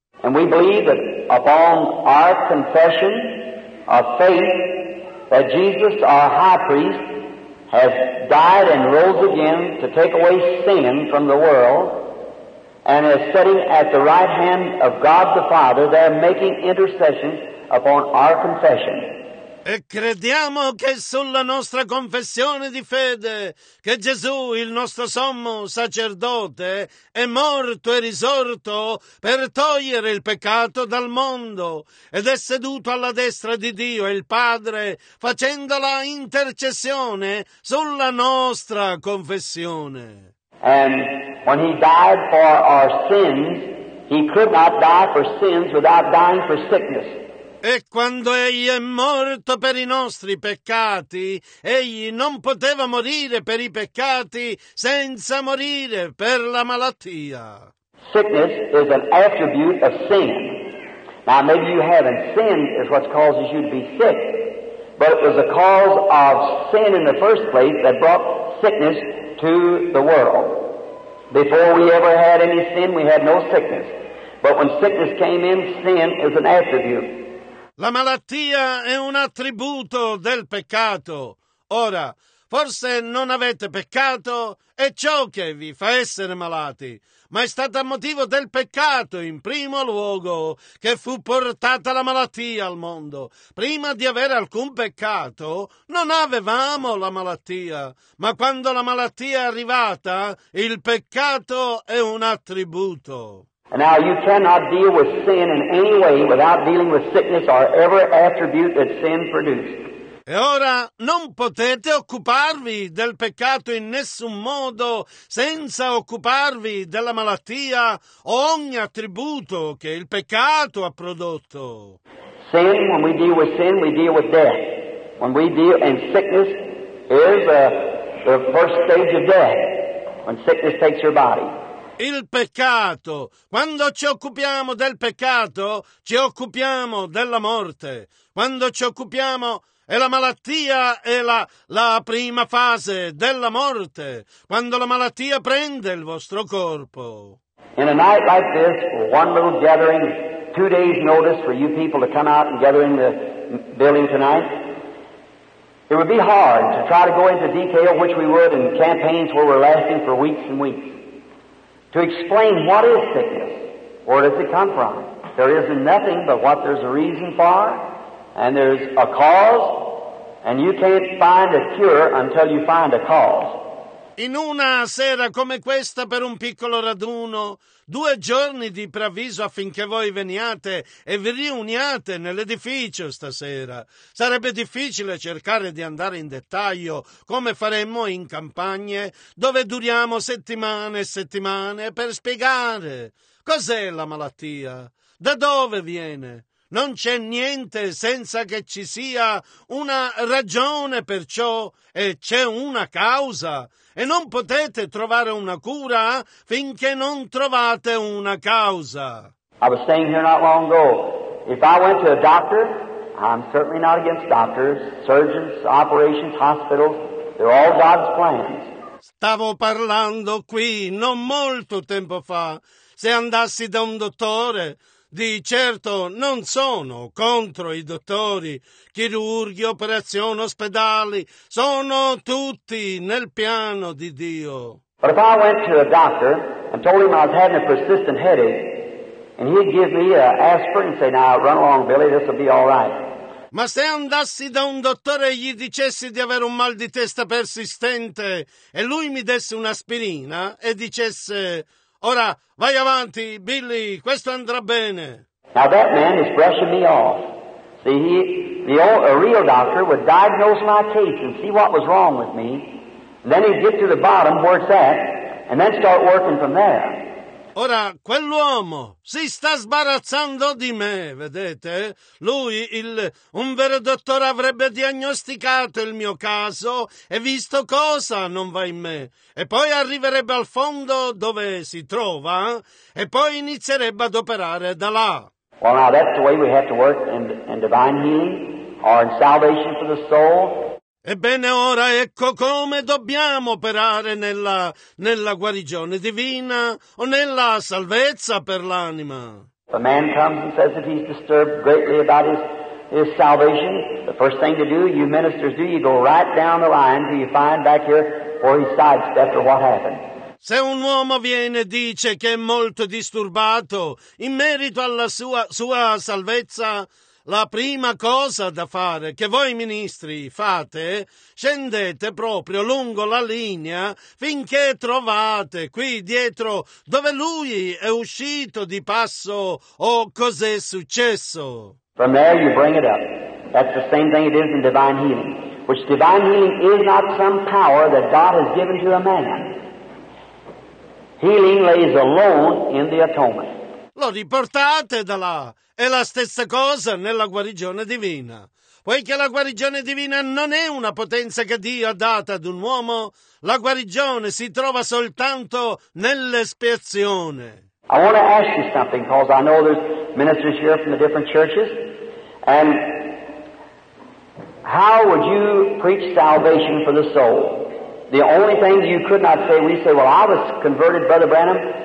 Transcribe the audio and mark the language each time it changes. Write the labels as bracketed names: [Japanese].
[English] And we believe that upon our confession of faith, that Jesus, our high priest, has died and rose again to take away sin from the world, and is sitting at the right hand of God the Father, there making intercession upon our confession. [Italian] E crediamo che sulla nostra confessione di fede, che Gesù, il nostro sommo sacerdote, è morto e risorto per togliere il peccato dal mondo, ed è seduto alla destra di Dio e il Padre, facendo la intercessione sulla nostra confessione. [English] And when he died for our sins, he could not die for sins without dying for sickness. [Italian] E quando egli è morto per i nostri peccati, egli non poteva morire per i peccati senza morire per la malattia. [English] Sickness is an attribute of sin. Now maybe you haven't sinned is what causes you to be sick, but it was the cause of sin in the first place that brought sickness to the world. Before we ever had any sin, we had no sickness. But when sickness came in, sin is an attribute. [Italian] La malattia è un attributo del peccato. Ora, forse non avete peccato, è ciò che vi fa essere malati, ma è stato a motivo del peccato in primo luogo che fu portata la malattia al mondo. Prima di avere alcun peccato, non avevamo la malattia, ma quando la malattia è arrivata, il peccato è un attributo. [English] And now you cannot deal with sin in any way without dealing with sickness or every attribute that sin produced. [Italian] E ora non potete occuparvi del peccato in nessun modo senza occuparvi della malattia o ogni attributo che il peccato ha prodotto. [English] Sin, when we deal with sin, we deal with death. When we deal in sickness, is the first stage of death, when sickness takes your body. [Italian] Il peccato. Quando ci occupiamo del peccato, ci occupiamo della morte. Quando ci occupiamo... E la malattia è la prima fase della morte, quando la malattia prende il vostro corpo. [English] In a night like this, one little gathering, 2 days notice for you people to come out and gather in the building tonight, it would be hard to try to go into detail, which we would in campaigns where we're lasting for weeks and weeks, to explain what is sickness, where does it come from. There is nothing but what there's a reason for. And there's a cause, and you can't find a cure until you find a cause. [Italian] In una sera come questa, per un piccolo raduno, 2 giorni di preavviso affinché voi veniate e vi riuniate nell'edificio stasera. Sarebbe difficile cercare di andare in dettaglio come faremmo in campagne dove duriamo settimane e settimane per spiegare cos'è la malattia, da dove viene. Non c'è niente senza che ci sia una ragione per ciò e c'è una causa. E non potete trovare una cura finché non trovate una causa. [English] I was staying here not long ago. If I went to a doctor, I'm certainly not against doctors, surgeons, operations, hospitals. They're all God's plans. [Italian] Stavo parlando qui non molto tempo fa. Se andassi da un dottore... Di certo non sono contro i dottori, chirurghi, operazioni, ospedali, sono tutti nel piano di Dio. [English] But if I went to a doctor and told him I was having a persistent headache, and he'd give me an aspirin and say, now run along, Billy, this will be all right. [Italian] Ma se andassi da un dottore e gli dicessi di avere un mal di testa persistente e lui mi desse un'aspirina e dicesse: ora vai avanti, Billy, questo andrà bene. [English] Now that man is brushing me off. See, a real doctor would diagnose my case and see what was wrong with me. Then he'd get to the bottom where it's at and then start working from there. [Italian] Ora, quell'uomo si sta sbarazzando di me, vedete? Lui, un vero dottore, avrebbe diagnosticato il mio caso e visto cosa non va in me. E poi arriverebbe al fondo dove si trova e poi inizierebbe ad operare da là. [English] Well, now that's the way we have to work in divine healing or in salvation for the soul. [Italian] Ebbene, ora ecco come dobbiamo operare nella guarigione divina o nella salvezza per l'anima. [English] A man comes and says that he's disturbed greatly about his salvation. The first thing to do, you ministers do, you go right down the line till you find back here where he sidestepped or what happened. [Italian] Se un uomo viene e dice che è molto disturbato in merito alla sua salvezza, la prima cosa da fare che voi ministri fate, scendete proprio lungo la linea finché trovate qui dietro dove lui è uscito di passo o cos'è successo. [English] From there you bring it up. That's the same thing it is in divine healing. Which divine healing is not some power that God has given to a man. Healing lays alone in the atonement. [Italian] Lo riportate da là. È la stessa cosa nella guarigione divina. Poiché la guarigione divina non è una potenza che Dio ha data ad un uomo, la guarigione si trova soltanto nell'espiazione. [English] I want to ask you something, because I know there's ministers here from the different churches. And how would you preach salvation for the soul? The only thing you could not say, we say, well, I was converted, Brother Branham.